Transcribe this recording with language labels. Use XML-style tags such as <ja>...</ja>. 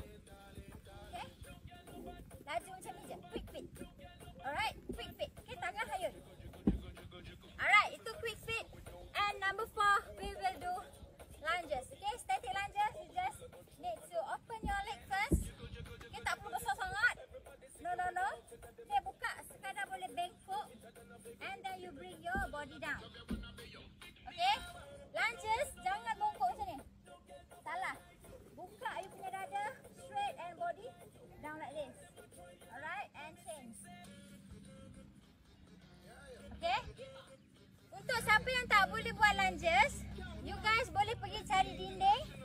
<ms>Okay, laju macam ni je.</ms> <en>Quick feet. Alright, quick feet.</en> <ms>Okay, tangan hayun.</ms> <en>Alright, itu quick feet. And number 4 we will do lunges. Okay, static lunges. You just need to open your leg first.</en> <ms>Okay, tak perlu besar sangat. No. Okay, buka sekadar boleh bengkok.</ms> <en>And then you bring your body down. Okay, lunges,</en> <ms>jangan bongkok macam ni. Salah. Buka you punya dada,</ms> <en>straight and body down like this. Alright, and change.</en> <ms>Okay, untuk siapa yang tak boleh buat lunges,</ms> <en>you guys</en> <ms>boleh pergi cari dinding.</ms>